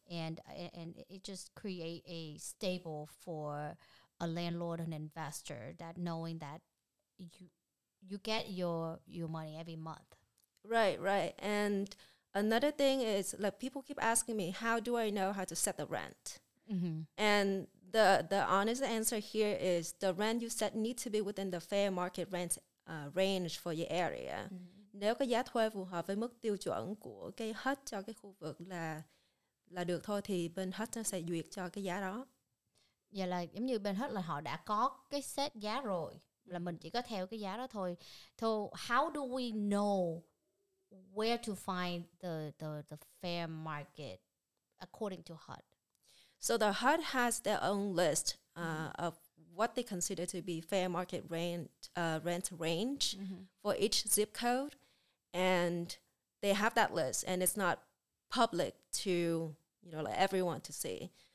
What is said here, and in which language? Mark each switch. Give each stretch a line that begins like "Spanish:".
English: And it just create a stable for a landlord, an investor, that knowing that you get your money every month. Right. And another thing is, like, people keep asking me, how do I know how to set the rent? And the honest answer here is the rent you set needs to be within the fair market rent range for your area.
Vietnamese: Nếu cái giá thuê phù hợp với mức tiêu chuẩn của cái HUD cho cái khu vực là được thôi, thì bên HUD nó sẽ duyệt cho cái giá đó. Vậy là giống như bên HUD là họ đã có cái set giá rồi, là mình chỉ có theo cái giá đó thôi.
English: So how do we know where to find the fair market according to HUD? So the HUD has their own list of what they consider to be fair market rent range for each zip code, and they have that list, and it's not public to, you know, like everyone to see.